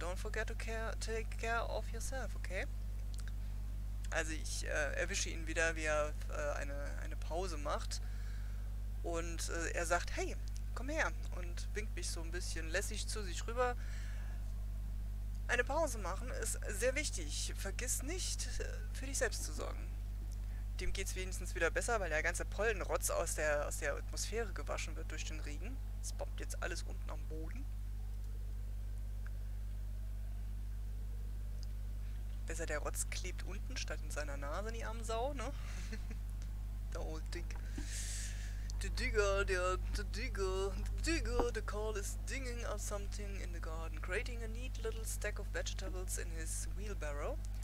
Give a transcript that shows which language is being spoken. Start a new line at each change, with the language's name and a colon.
English: Don't forget to take care of yourself, okay?
German: Also ich erwische ihn wieder, wie er eine Pause macht. Und er sagt, hey, komm her. Und winkt mich so ein bisschen lässig zu sich rüber. Eine Pause machen ist sehr wichtig. Vergiss nicht, für dich selbst zu sorgen. Dem geht's wenigstens wieder besser, weil der ganze Pollenrotz aus der Atmosphäre gewaschen wird durch den Regen. Es bombt jetzt alles unten am Boden. Besser, der Rotz klebt unten statt in seiner Nase, die arme Sau, ne? Der old Dick.
English: The call is dinging of something in the garden, creating a neat little stack of vegetables in his wheelbarrow.